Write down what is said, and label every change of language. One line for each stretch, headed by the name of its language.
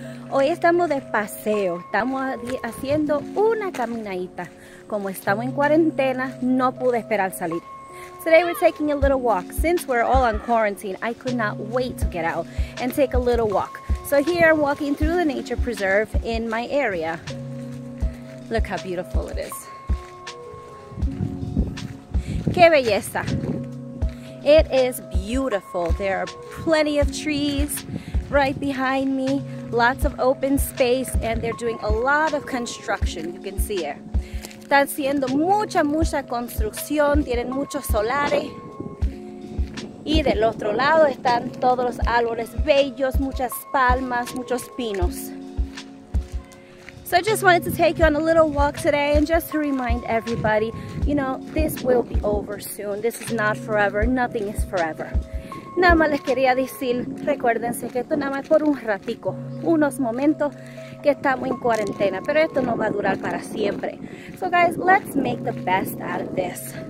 Spanish: Hoy estamos de paseo, estamos haciendo una caminadita. Como estamos en cuarentena, no pude esperar salir.
English: Today we're taking a little walk. Since we're all on quarantine, I could not wait to get out and take a little walk. So here I'm walking through the nature preserve in my area. Look how beautiful it is.
Spanish: Qué belleza.
English: It is beautiful. There are plenty of trees right behind me, lots of open space, and they're doing a lot of construction. You can see it.
Spanish: Están haciendo mucha, mucha construcción. Tienen muchos solares. Y del otro lado están todos los árboles bellos, muchas palmas, muchos pinos.
English: So I just wanted to take you on a little walk today, and just to remind everybody, you know, this will be over soon. This is not forever. Nothing is forever.
Spanish: Nada más les quería decir, recuérdense que esto nada más por un ratico, unos momentos que estamos en cuarentena, pero esto no va a durar para siempre.
English: So guys, let's make the best out of this.